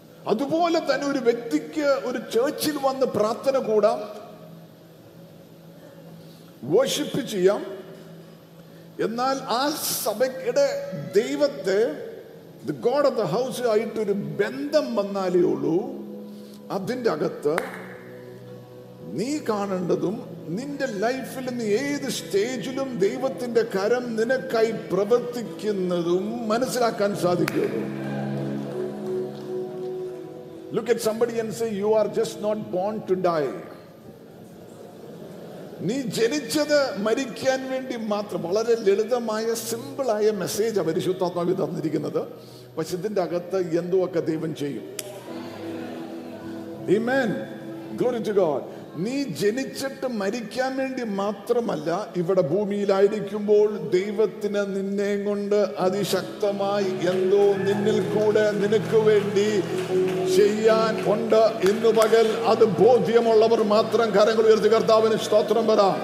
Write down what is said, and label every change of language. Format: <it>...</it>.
<ml>അതുപോലെ തന്നെ ഒരു വ്യക്തിക്ക് ഒരു ചേർച്ചിൽ വന്ന് പ്രാർത്ഥന കൂടാം, വർഷിപ്പ് ചെയ്യാം, എന്നാൽ ആ സഭയുടെ ദൈവത്തെ</ml> <en>the god of the house</en> <ml>ആയിട്ടൊരു ബന്ധം വന്നാലേ ഉള്ളൂ അതിൻ്റെ അകത്ത് നീ കാണേണ്ടതും നിന്റെ ലൈഫിൽ നിന്ന് ഏത് സ്റ്റേജിലും ദൈവത്തിന്റെ കരം നിനക്കായി പ്രവർത്തിക്കുന്നതും മനസ്സിലാക്കാൻ സാധിക്കുള്ളൂ.</ml> <en>Look at somebody and say, you are just not born to die.</en> <ml>നീ ജനിച്ചത് മരിക്കാൻ വേണ്ടി മാത്രം. വളരെ ലളിതമായ സിമ്പിളായ മെസ്സേജ് പരിശുദ്ധാത്മാവിൽ തന്നിരിക്കുന്നത്. പക്ഷെ ഇതിന്റെ അകത്ത് എന്തോ ഒക്കെ ദൈവം ചെയ്യും. ആമേൻ.</ml> <en>Glory to God.</en> <ml>നീ ജനിച്ചിട്ട് മരിക്കാൻ വേണ്ടി മാത്രമല്ല, ഇവിടെ ഭൂമിയിലായിരിക്കുമ്പോൾ ദൈവത്തിന് നിന്നെ കൊണ്ട് അതിശക്തമായി എന്തോ നിന്നിൽ കൂടെ നിനക്ക് വേണ്ടി ചെയ്യാൻ ഉണ്ട് എന്ന് പകൽ അത് ബോധ്യമുള്ളവർ മാത്രം കരങ്ങൾ ഉയർത്തി കർത്താവിന് സ്തോത്രം പറ.</ml>